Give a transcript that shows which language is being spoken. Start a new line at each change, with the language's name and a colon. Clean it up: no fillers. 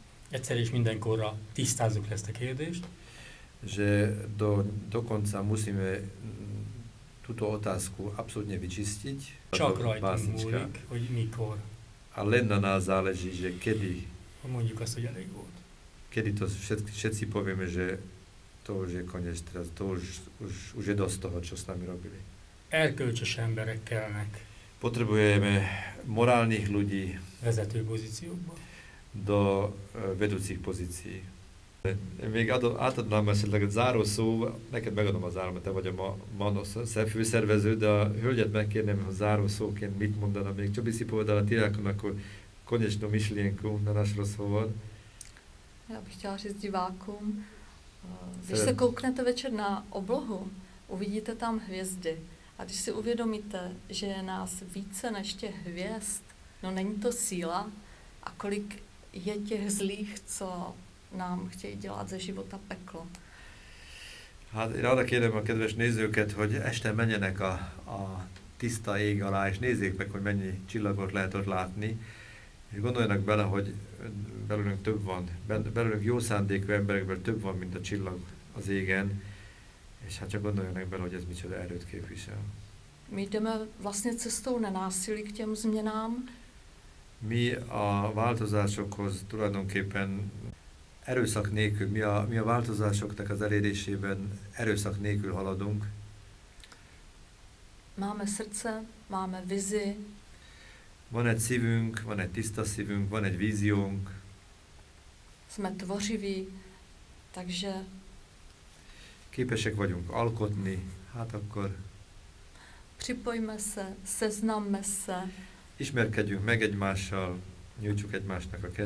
Hungarian: Egyszer és mindenkorra tisztázzuk ezt a kérdést.
Slovak: Že dokonca musíme túto otázku absolútne vyčistiť.
Hungarian: Csak rajtunk múlik, hogy mikor.
Slovak: A len na nás záleží, že kedy.
Hungarian: Mondjuk azt, hogy elég volt.
Slovak: Kedy to všetci povieme, že to už je koniec, teraz to už je dosť toho, čo s nami robili.
Hungarian: Erkölcsös emberek kellnek.
Slovak: Potrebujeme morálnych ľudí.
Hungarian: Vezető pozíciókba.
Slovak: Do vedúcich pozícií.
Hungarian: Még átadnám esetleg záró szó, neked megadom a záró, mert te vagy a Manos főszervező, de a hölgyet megkérném, hogy záró szóként mit mondaná még.
Slovak: Csabi si povedala tirákon, akkor konečnú myšlienku na náš rozhovor.
Czech: Já bych chtěla říct divákům, když se kouknete večer na oblohu, uvidíte tam hvězdy. A když si uvědomíte, že je nás více než těch hvězd, no není to síla, a kolik je těch zlých, co nám chtějí dělat ze života peklo.
Hungarian: Hát ráda kérem a kedves nézőket, hogy este menjenek a tiszta ég alá, és nézzék meg, hogy mennyi csillagot lehet ott látni, és gondoljanak bele, hogy belülünk több van, belülünk jó szándékű emberekből több van, mint a csillag az égen, és hát csak gondoljanak bele, hogy ez micsoda erőt képvisel.
Czech: My jdeme vlastně cestou nenásilí k těm změnám.
Hungarian: Mi a változásokhoz tulajdonképpen erőszak nélkül, mi a változásoknak az elérésében erőszak nélkül haladunk.
Czech: Máme srdce, máme vizi.
Hungarian: Van egy szívünk, van egy tiszta szívünk, van egy víziónk.
Czech: Sme tvořiví, takže...
Hungarian: Képesek vagyunk alkotni, hát akkor...
Czech: Připojme se, seznamme se.
Hungarian: Ismerkedjünk meg egymással, nyújtsuk egymásnak a kezét.